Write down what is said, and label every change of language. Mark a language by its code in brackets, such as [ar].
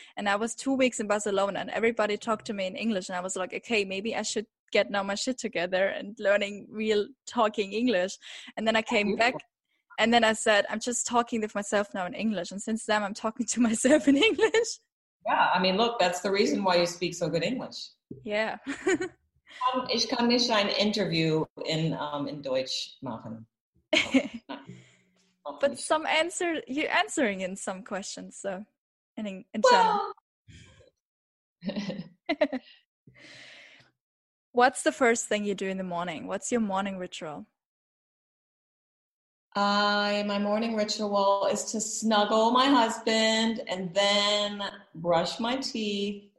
[en] And I was 2 weeks in Barcelona and everybody talked to me in English. And I was like, okay, maybe I should get now my shit together and learning real talking English. And then I came back and then I said, I'm just talking with myself now in English. And since then I'm talking to myself in English. Yeah. I mean, look, that's the reason why you speak so good English. Yeah. [de] Ich kann nicht ein Interview in Deutsch machen. [en] But some answer, you're answering in some questions, so. In well. What's the first thing you do in the morning? What's your morning ritual? My morning ritual is to snuggle my husband and then brush my teeth.